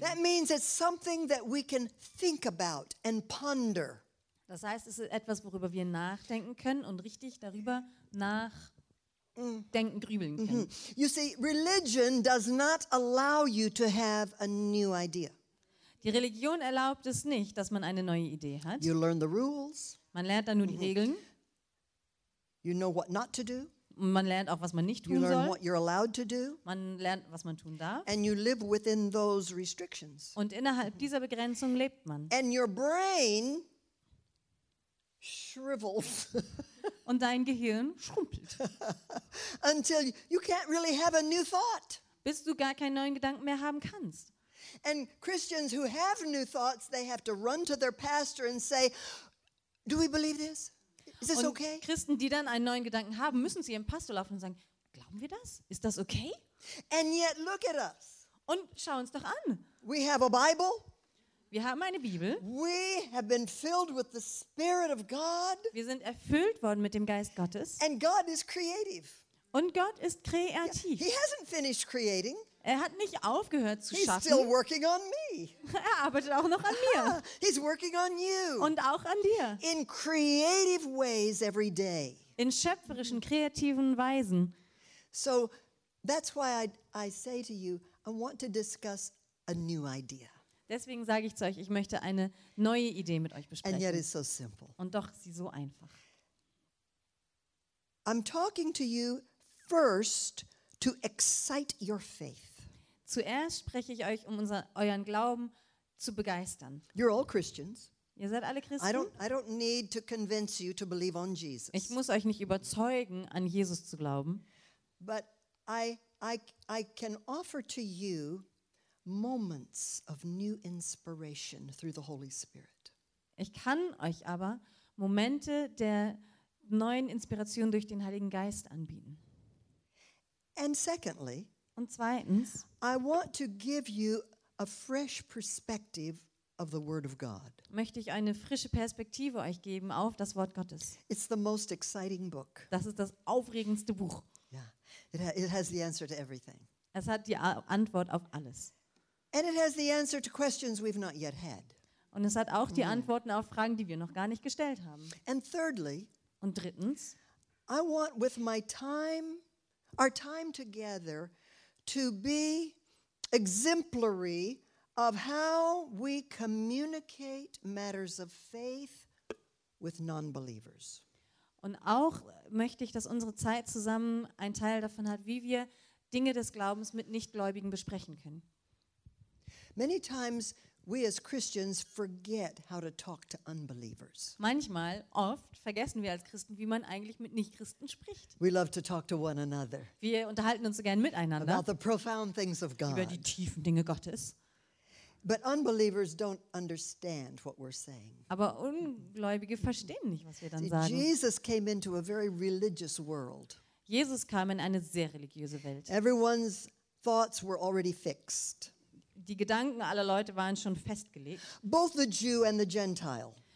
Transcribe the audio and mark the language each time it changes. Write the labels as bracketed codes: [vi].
[en] That means it's something that we can think about and ponder. [de] Das heißt, es ist etwas, worüber wir nachdenken können und richtig darüber nachdenken, grübeln können. Mm-hmm. [en] You see, religion does not allow you to have a new idea. [de] Die Religion erlaubt es nicht, dass man eine neue Idee hat. [en] You learn the rules. [de] Man lernt dann nur die Regeln. [en] You know what not to do. [de] Man lernt auch, was man nicht tun soll. [en] You learn what you're allowed to do. [de] Man lernt, was man tun darf. [en] And you live within those restrictions. [de] Und innerhalb dieser Begrenzung lebt man. [en] And your brain shrivels. [de] Und dein Gehirn schrumpelt. [en] Until you can't really have a new thought. [de] Bis du gar keinen neuen Gedanken mehr haben kannst. [en] And Christians who have new thoughts, they have to run to their pastor and say, do we believe this? Is this okay? [de] Und Christen, die dann einen neuen Gedanken haben, müssen zu ihrem Pastor laufen und sagen, glauben wir das? Ist das okay? [en] And yet look at us. [de] Und schau uns doch an. [en] We have a Bible. [de] Wir haben eine Bibel. [en] We have been filled with the Spirit of God. [de] Wir sind erfüllt worden mit dem Geist Gottes. [en] And God is creative. [de] Und Gott ist kreativ. [en] Yeah. He hasn't finished creating. [de] Er hat nicht aufgehört zu [en] He's [de] schaffen. [en] Still working on me. [de] Er arbeitet auch noch an mir. [en] He's working on you. [de] Und auch an dir. [en] In creative ways every day. [de] In schöpferischen, kreativen Weisen. [en] So that's why I say to you, I want to discuss a new idea. [de] Deswegen sage ich zu euch, ich möchte eine neue Idee mit euch besprechen. [en] And yet it's so simple. [de] Und doch ist sie so einfach. [en] I'm talking to you first to excite your faith. [de] Zuerst spreche ich euch, um euren Glauben zu begeistern. [en] You're all Christians. [de] Ihr seid alle Christen. [en] I don't need to convince you to believe on Jesus. [de] Ich muss euch nicht überzeugen, an Jesus zu glauben. [en] But I can offer to you moments of new inspiration through the Holy Spirit. [de] Ich kann euch aber Momente der neuen Inspiration durch den Heiligen Geist anbieten. [en] And secondly, [de] und zweitens, [en] I want to give you a fresh perspective of the Word of God. [de] Möchte ich eine frische Perspektive euch geben auf das Wort Gottes. [en] It's the most exciting book. [de] Das ist das aufregendste Buch. [en] Yeah, it has the answer to everything. [de] Es hat die Antwort auf alles. [en] And it has the answer to questions we've not yet had. [de] Und es hat auch die Antworten auf Fragen, die wir noch gar nicht gestellt haben. [en] And thirdly, [de] und drittens, [en] I want with my time, our time together, to be exemplary of how we communicate matters of faith with non-believers. [de] Und auch möchte ich, dass unsere Zeit zusammen einen Teil davon hat, wie wir Dinge des Glaubens mit Nichtgläubigen besprechen können. [en] Many times we as Christians forget how to talk to unbelievers. [de] Manchmal, oft, vergessen wir als Christen, wie man eigentlich mit Nichtchristen spricht. [en] We love to talk to one another. [de] Wir unterhalten uns so gern miteinander. [en] About the profound things of God. [de] Über die tiefen Dinge Gottes. [en] But unbelievers don't understand what we're saying. [de] Aber Ungläubige verstehen nicht, was wir dann sagen. [en] Jesus came into a very religious world. [de] Jesus kam in eine sehr religiöse Welt. [en] Everyone's thoughts were already fixed. [de] Die Gedanken aller Leute waren schon festgelegt. [en] Both the Jew and the Gentile.